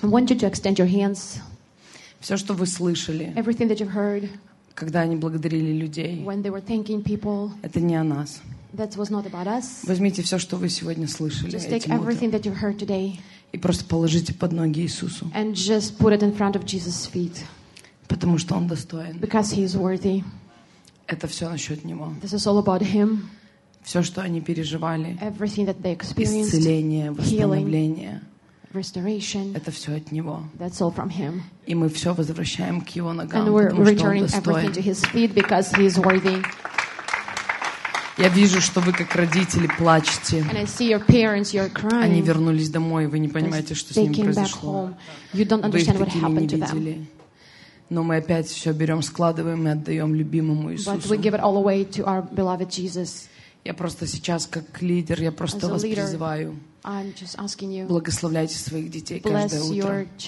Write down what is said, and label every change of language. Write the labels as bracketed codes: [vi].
[en] I want you to extend your hands. [ru] Все, что вы слышали. [en] Everything that you've heard. [ru] Когда они благодарили людей. [en] When they were thanking people. [ru] Это не о нас. [en] That was not about us. [ru] Возьмите все, что вы сегодня слышали. [en] Just take everything that you've heard today. [ru] И просто положите под ноги Иисусу. [en] And just put it in front of Jesus' feet. [ru] Потому что Он достоин. [en] Because He is worthy. [ru] Это все насчет Него. [en] This is all about Him. [ru] Все, что они переживали, [en] everything that they [ru] experienced, исцеление, восстановление, [en] healing, restoration, [ru] это все от Него. [en] That's all from Him. [ru] И мы все возвращаем к Его ногам, [en] and we're [ru] потому что Он достоин. [en] To His feet because He is worthy. [ru] Я вижу, что вы как родители плачете. [en] And I see your parents, you're crying. [ru] Они вернулись домой, вы не понимаете, что с ними произошло. [en] You don't understand what happened to them. [ru] Но мы опять все берем, складываем и отдаем любимому Иисусу. [en] But we give it all away to our beloved Jesus. [ru] Я просто сейчас, как лидер, я просто вас призываю. Благословляйте своих детей каждое утро.